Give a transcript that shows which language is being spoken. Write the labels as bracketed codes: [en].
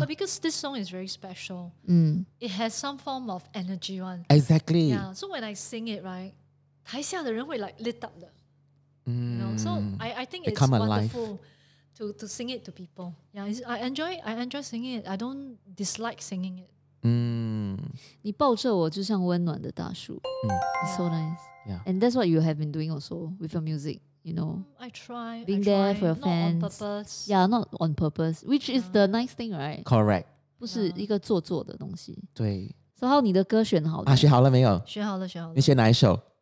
[en] But because this song is very special, it has some form of energy one. Exactly. Yeah. So when I sing it, right, [zh] 台下的人会 [en] like lit up [zh] 的。 [en] You know? So I think it's wonderful. Alive. To sing it to people. Yeah, I enjoy singing it. I don't dislike singing it. Mm. [zh] 你抱着我就像温暖的大树. [en] Mm. It's yeah. so nice. Yeah. And that's what you have been doing also with your music, you know. I try. Being I try, there for your not Not on purpose. Yeah, not on purpose. Which yeah. is the nice thing, right? Correct. [zh] 不是一个做作的东西. Yeah. 对. [en] So how [zh] 你的歌选好了? 啊，选好了没有? 选好了。你选哪一首?